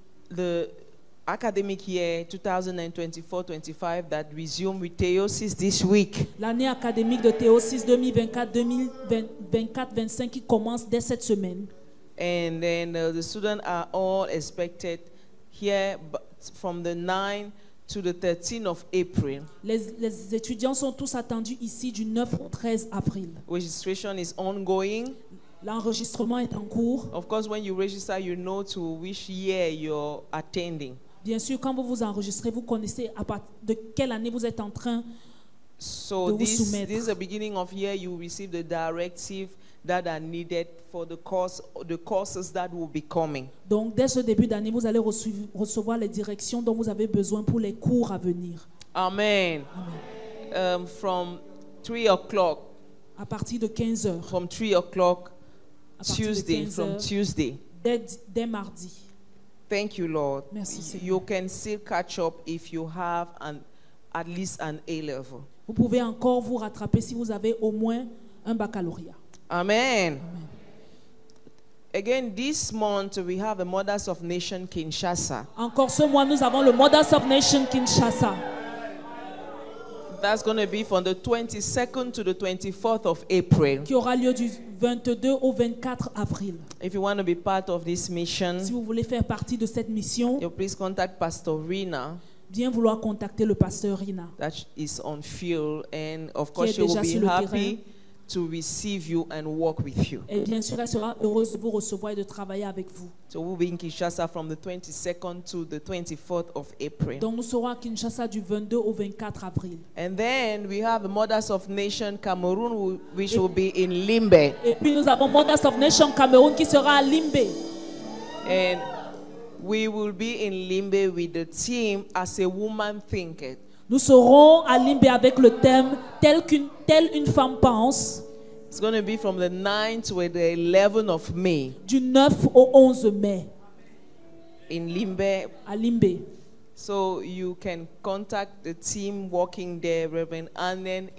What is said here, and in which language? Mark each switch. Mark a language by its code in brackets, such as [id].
[en] the academic year 2024-25 that resume with Theosis this week. [fr] L'année académique de Theosis 2024-25 qui commence dès cette semaine. [en] And then the students are all expected here from the 9th to the 13th of April. [fr] Les étudiants sont tous attendus ici du 9 au 13 avril. [en] Registration is ongoing. [fr] L'enregistrement est en cours. [en] Of course, when you register, you know to which year you're attending. [fr] Bien sûr, quand vous vous enregistrez, vous connaissez à partir de quelle année vous êtes en train [en] so [fr] de vous soumettre. [en] This is the beginning of year. You receive the directive that are needed for the course, the courses that will be coming. [fr] Donc, dès ce début d'année, vous allez recevoir les directions dont vous avez besoin pour les cours à venir. [en] Amen. [fr] Amen. [en] From 3 o'clock. [fr] À partir de 15 heures. [en] From 3 o'clock. Tuesday, from Tuesday. [fr] Dès mardi. [en] Thank you, Lord. [fr] Merci, [en] you can still catch up if you have at least an A level. [fr] Vous pouvez encore vous rattraper si vous avez au moins un baccalauréat. [en] Amen. [fr] Amen. [en] Again, this month we have a Mothers of Nation Kinshasa. [fr] Encore ce mois, nous avons le Mothers of Nation Kinshasa. [en] That's going to be from the 22nd to the 24th of April. [fr] Qui aura lieu du 22 au 24 avril. [en] If you want to be part of this mission, [fr] si vous voulez faire partie de cette mission, [en] you please contact Pastor Rina. [fr] Bien vouloir contacter le pasteur Rina. [en] That is on field, and of course she will be happy to receive you and work with you. [fr] Et bien sûr, elle sera heureuse de vous recevoir et de travailler avec vous. [en] So we'll be in Kinshasa from the 22nd to the 24th of April. [fr] Donc nous serons à Kinshasa du 22 au 24 avril. [en] And then we have Mothers of Nation Cameroon, which will be in Limbe. [fr] Et puis nous avons Mothers of Nation Cameroon qui sera à Limbe. [en] And we will be in Limbe with the theme As a Woman Thinketh. [fr] Nous serons à Limbe avec le thème telle une femme pense. [en] It's going to be from the 9th to the 11th of May. [fr] Du 9 au 11 mai. [en] In Limbe. [fr] À Limbe. [en] So you can contact the team working there, Reverend Annen is